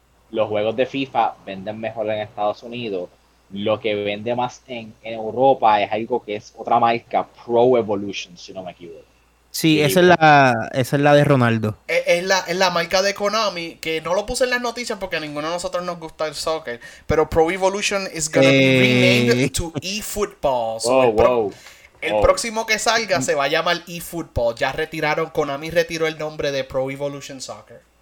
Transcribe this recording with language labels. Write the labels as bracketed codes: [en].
[es] Los juegos de FIFA venden mejor en Estados Unidos. Lo que vende más en Europa es algo que es otra marca, Pro Evolution, si no me equivoco. Sí, esa es la de Ronaldo. Es la marca de Konami, que no lo puse en las noticias porque a ninguno de nosotros nos gusta el soccer. [en] Pero Pro Evolution is gonna be renamed to eFootball. [es] Próximo que salga se va a llamar eFootball. Ya retiraron, Konami retiró el nombre de Pro Evolution Soccer.